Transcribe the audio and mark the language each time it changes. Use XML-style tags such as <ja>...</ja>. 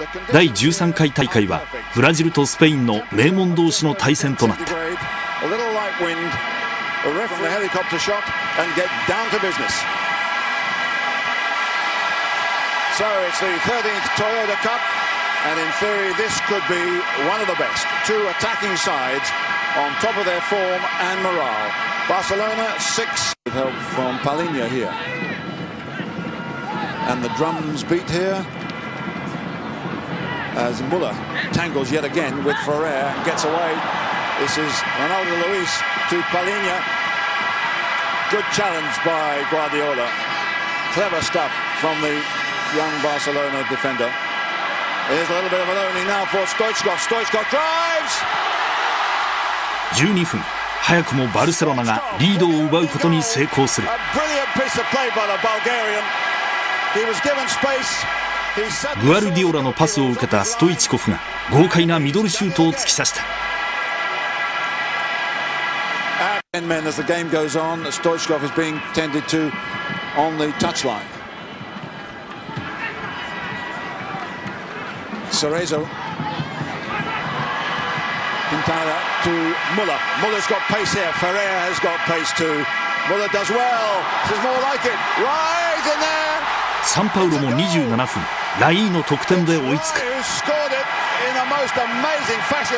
<ja>第13回大会はブラジルとスペインの名門同士の対戦となった。</ja> <en>So it's the 13th Toyota Cup, and in theory this could be one of the best. Two attacking sides on top of their form and morale. Barcelona 6. With help from Palinha here. And the drums beat here as Muller tangles yet again with Ferrer and gets away. This is Ronaldo Luis to Palinha. Good challenge by Guardiola. Clever stuff from the young Barcelona defender. There's a little bit of an opening now for Stoichkov. Stoichkov drives!</en> <ja>12分、早くもバルセロナがリードを奪うことに成功する。</ja> <en>A brilliant piece of play by the Bulgarian. He was given space.</en> <ja>グアルディオラのパスを受けたストイチコフが豪快なミドルシュートを突き刺した。</ja> <en>10men as the game goes on, Stoichkov is being tended to on the touchline. Cerezo, Quintana to Muller. Muller's got pace here. Ferrer has got pace too. Muller does well. This is more like it. Right in there.</en> <ja>サンパウロも27分、ライーの得点で追いつく。</ja> <en>Who scored it in the most amazing fashion?</en>